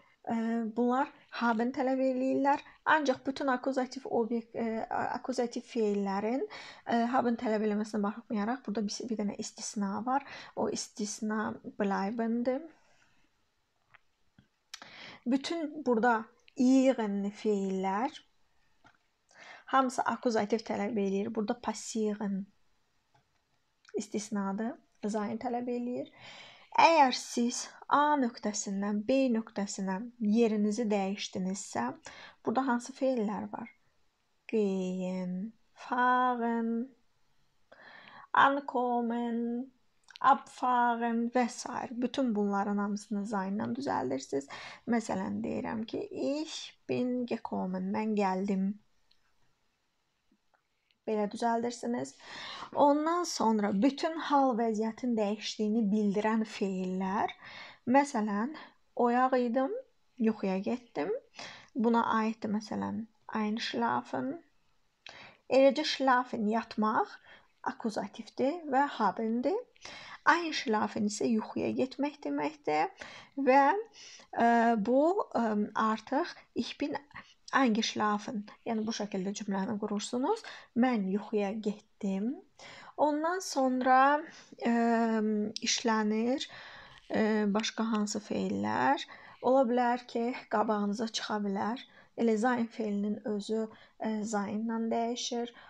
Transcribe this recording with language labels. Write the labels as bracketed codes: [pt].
[az] Bunlar haben tələb eləyirlər. Ancaq bütün akuzativ obyekt akuzativ fiillərin haben tələb eləməsinə baxmayaraq burada bir dənə istisna var. O istisna bleibendir. Bütün burada iğənli fiillər hamısı akuzativ tələb eləyir. Burada passiven istisnadır. Zain tələb eləyir. Əgər siz A nöqtəsindən, B nöqtəsindən yerinizi dəyişdinizsə, burada hansı feillər var? [de] Gehen, fahren, ankommen, [az] abfağın vesaire bütün bunların hamısını zayından düzeltirsiniz. Məsələn deyirəm ki, [de] ich bin gekommen, [az] mən gəldim. Belə düzəldirsiniz. Ondan sonra bütün hal vəziyyətin dəyişdiyini bildirən fiillər. Məsələn, oyaq idim, yuxuya getdim. Buna aiddir məsələn, einschlafen. Eləcə schlafen, yatmaq akuzativdir və habendir. Einschlafen isə yuxuya getmək deməkdir. Və bu artıq [de] ich bin eingeschlafen. [az] Yəni bu şəkildə cümləni qurursunuz. Mən yuxuya getdim. Ondan sonra işlənir başqa hansı fellər. Ola bilər ki, qabağınıza çıxa bilər. Elə zain fiilinin özü zainla dəyişir.